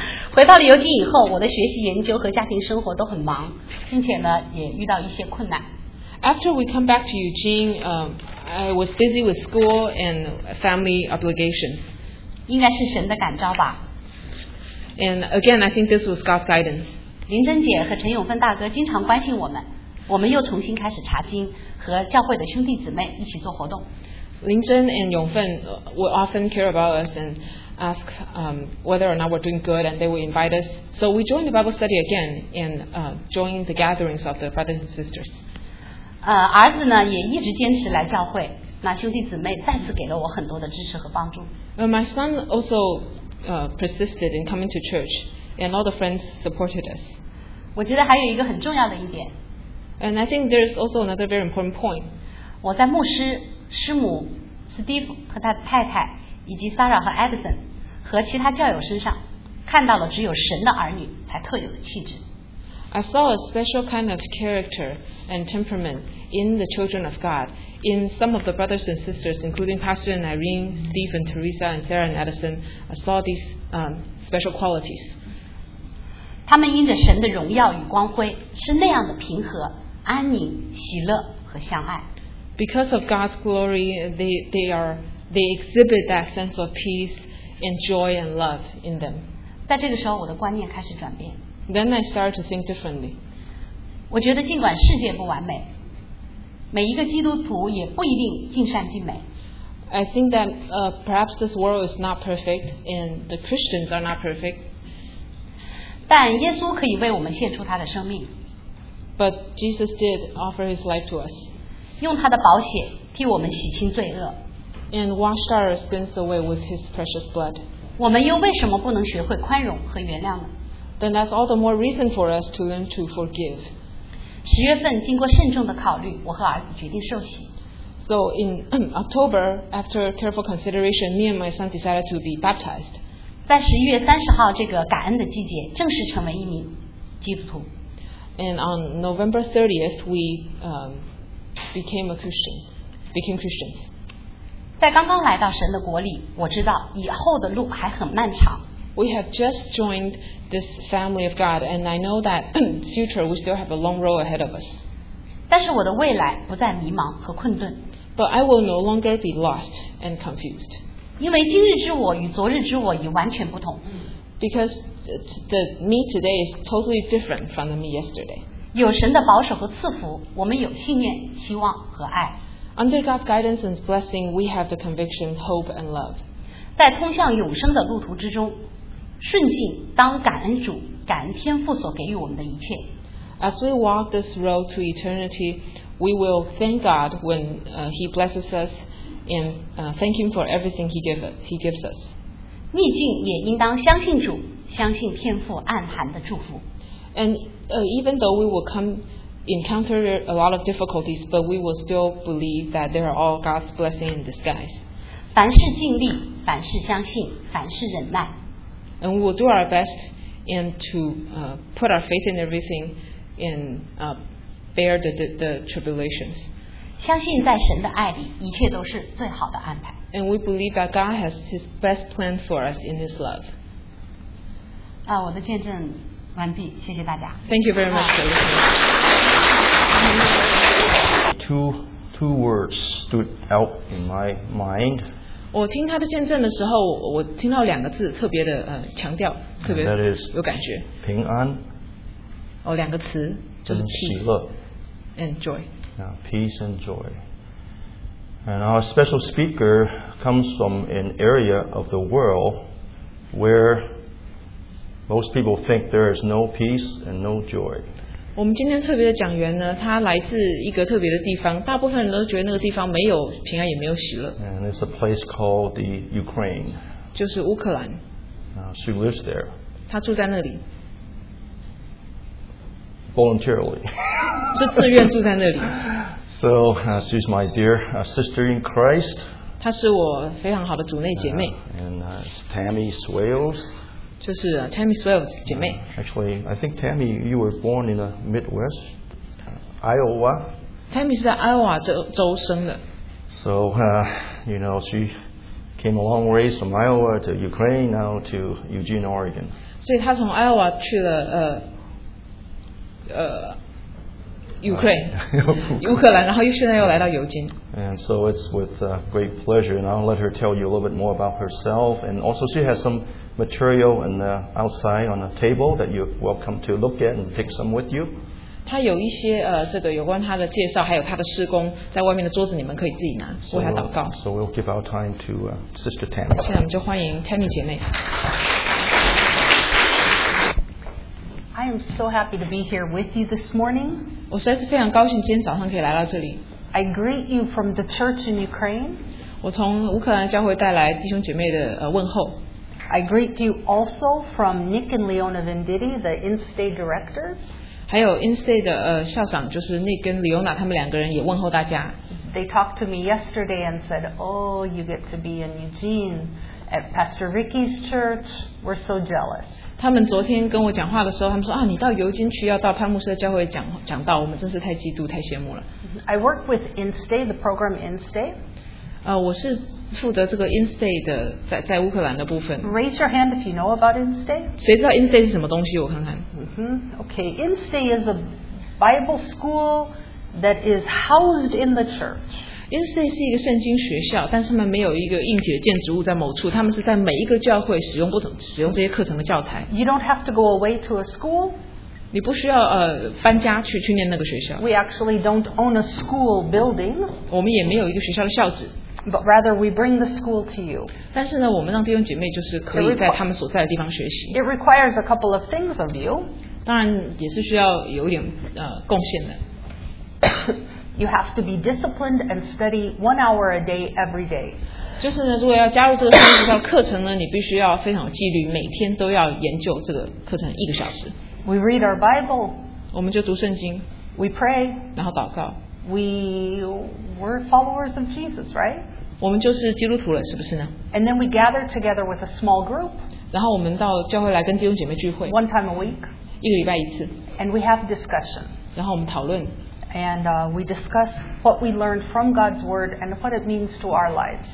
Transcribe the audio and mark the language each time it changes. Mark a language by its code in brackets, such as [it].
[zh] 回到了游击以后，我的学习、研究和家庭生活都很忙，并且呢，也遇到一些困难。 [en] After we come back to Eugene, I was busy with school and family obligations. [zh] 应该是神的感召吧。 [en] And again, I think this was God's guidance. [zh] 林珍姐和陈永芬大哥经常关心我们，我们又重新开始查经，和教会的兄弟姊妹一起做活动。 [en] 林珍 and 永芬 would often care about us and ask whether or not we're doing good, and they would invite us. So we joined the Bible study again and joined the gatherings of the brothers and sisters. [zh] 儿子呢也一直坚持来教会。那兄弟姊妹再次给了我很多的支持和帮助。 [en] My son also persisted in coming to church, and all the friends supported us. [zh] 我觉得还有一个很重要的一点。 [en] And I think there's also another very important point. [zh] 我在牧师、师母、Steve 和他的太太，以及 Sarah 和 Edison 和其他教友身上，看到了只有神的儿女才特有的气质。 [en] I saw a special kind of character and temperament in the children of God, in some of the brothers and sisters, including Pastor and Irene, Steve and Teresa and Sarah and Edison. I saw these special qualities. [zh] 他们因着神的荣耀与光辉，是那样的平和、安宁、喜乐和相爱。 [en] Because of God's glory, they are they exhibit that sense of peace and joy and love in them. [zh] 在这个时候，我的观念开始转变。 [en] Then I started to think differently. [zh] 我觉得尽管世界不完美，每一个基督徒也不一定尽善尽美。 [en] I think that perhaps this world is not perfect and the Christians are not perfect. [zh] 但耶稣可以为我们献出他的生命。 [en] But Jesus did offer his life to us. [zh] 用他的宝血替我们洗清罪恶。 [en] And washed our sins away with his precious blood. [zh] 我们又为什么不能学会宽容和原谅呢？ [en] Then that's all the more reason for us to learn to forgive. [zh] 十月份经过慎重的考虑，我和儿子决定受洗。 [en] So in October, after careful consideration, me and my son decided to be baptized. [zh] 在十一月三十号这个感恩的季节，正式成为一名基督徒。 [en] And on November 30th, we became a Christian, became Christians. [zh] 在刚刚来到神的国里，我知道以后的路还很漫长。 [en] We have just joined this family of God, and I know that future we still have a long road ahead of us. [zh] 但是我的未来不再迷茫和困顿。 [en] But I will no longer be lost and confused. [zh] 因为今日之我与昨日之我已完全不同。 [en] Because the me today is totally different from the me yesterday. [zh] 有神的保守和赐福，我们有信念、希望和爱。 [en] Under God's guidance and blessing, we have the conviction, hope, and love. [zh] 在通向永生的路途之中，顺境当感恩主、感恩天父所给予我们的一切。 [en] As we walk this road to eternity, we will thank God when He blesses us and thank Him for everything He gives us. [zh] 逆境也应当相信主，相信天父暗含的祝福。 [en] And even though we will encounter a lot of difficulties, but we will still believe that they are all God's blessing in disguise. [zh] 凡事尽力，凡事相信，凡事忍耐。 [en] And we will do our best and to put our faith in everything and bear the tribulations. [zh] 相信在神的爱里，一切都是最好的安排。 [en] And we believe that God has His best plan for us in His love. [zh] 啊，我的见证完毕，谢谢大家。 [en] Thank you very much for listening. Two words stood out in my mind. [zh] 我听他的见证的时候，我听到两个字特别的强调，特别有感觉。平安。哦，两个词就是喜乐 [en] and joy. Yeah, peace and joy. And our special speaker comes from an area of the world where most people think there is no peace and no joy. [zh] 我们今天特别的讲员呢，他来自一个特别的地方，大部分人都觉得那个地方没有平安，也没有喜乐。 [en] And it's a place called the Ukraine. [zh] 就是乌克兰。 [en] She lives there. [zh] 他住在那里。 [en] Voluntarily. [zh] 是自愿住在那里。 [en] So she's my dear sister in Christ. [zh] 她是我非常好的主内姐妹。 [en] And Tammy Swales. [zh] 就是Tammy Swales姐妹。 [en] Actually, I think Tammy, you were born in the Midwest, Iowa. [zh] Tammy 是在 Iowa 州生的。 [en] So you know, she came a long ways from Iowa to Ukraine, now to Eugene, Oregon. [zh] 所以她从 Iowa 去了乌克兰，然后现在又来到尤金。 [en] And so it's with great pleasure, and I'll let her tell you a little bit more about herself. And also, she has some material on the outside on the table that you're welcome to look at and take some with you. [zh] 她有一些这个有关她的介绍，还有她的事工，在外面的桌子你们可以自己拿，为她祷告。 [en] So we'll give our time to Sister Tammy. [zh] 现在我们就欢迎 Tammy 姐妹。 [en] I am so happy to be here with you this morning. [zh] 我实在是非常高兴今天早上可以来到这里。 [en] I greet you from the church in Ukraine. [zh] 我从乌克兰教会带来弟兄姐妹的问候。 [en] I greet you also from Nick and Leona Venditti, the in-state directors. [zh] 还有 in-state 的校长就是 Nick 跟 Leona 他们两个人也问候大家。 [en] They talked to me yesterday and said, "Oh, you get to be in Eugene at Pastor Ricky's church. We're so jealous." [zh] 他们昨天跟我讲话的时候，他们说啊，你到尤金区要到潘牧师的教会讲道，我们真是太嫉妒、太羡慕了。 [en] I work with InStay, the program InStay. [zh] 我是负责这个 InStay 的在乌克兰的部分。 [en] Raise your hand if you know about InStay. [zh] 谁知道 InStay 是什么东西？我看看。 [en] Okay, InStay is a Bible school that is housed in the church. [zh] Insay 是一个圣经学校，但是他们没有一个硬体的建筑物在某处，他们是在每一个教会使用不同使用这些课程的教材。 [en] You don't have to go away to a school. [zh] 你不需要搬家去念那个学校。 [en] We actually don't own a school building. [zh] 我们也没有一个学校的校址。 [en] But rather, we bring the school to you. [zh] 但是呢，我们让弟兄姐妹就是可以在他们所在的地方学习。 [en] It requires a couple of things of you. [zh] 当然也是需要有一点贡献的。 [en] You have to be disciplined and study 1 hour a day every day. [zh] 就是呢，如果要加入这个圣经学校课程呢，你必须要非常有纪律，每天都要研究这个课程一个小时。 [en] We read our Bible. [zh] 我们就读圣经。 [en] We pray. [zh] 然后祷告。 [en] We're followers of Jesus, right? [zh] 我们就是基督徒了，是不是呢？ [en] And then we gather together with a small group. [zh] 然后我们到教会来跟弟兄姐妹聚会。 [en] One time a week. [zh] 一个礼拜一次。 [en] And we have discussion. [zh] 然后我们讨论。 [en] And we discuss what we learned from God's word and what it means to our lives.